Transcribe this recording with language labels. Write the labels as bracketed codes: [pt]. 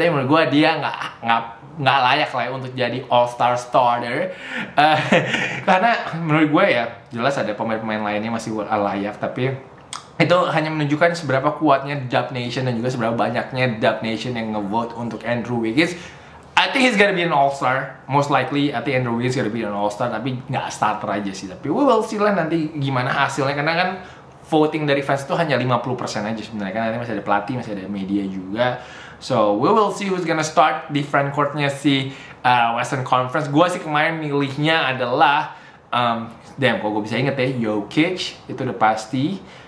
[id] Tapi menurut gue dia gak layak lah untuk jadi All-Star Starter. Karena menurut gue ya, jelas ada pemain-pemain lainnya masih layak, tapi itu hanya menunjukkan seberapa kuatnya Dub Nation dan juga seberapa banyaknya Dub Nation yang ngevote untuk Andrew Wiggins. [en] I think he's gonna be an All-Star, most likely. I think Andrew Wiggins gonna be an All-Star, [id] tapi nggak starter aja sih. Tapi [en] we will see [id] lah nanti gimana hasilnya, karena kan voting dari fans itu hanya 50% aja sebenarnya, kan nanti masih ada pelatih, masih ada media juga. [en] So we will see who's gonna start [id] di front court-nya si [en] Western Conference. [id] Gua sih kemarin milihnya adalah kok gua bisa inget ya, Jokic itu udah pasti.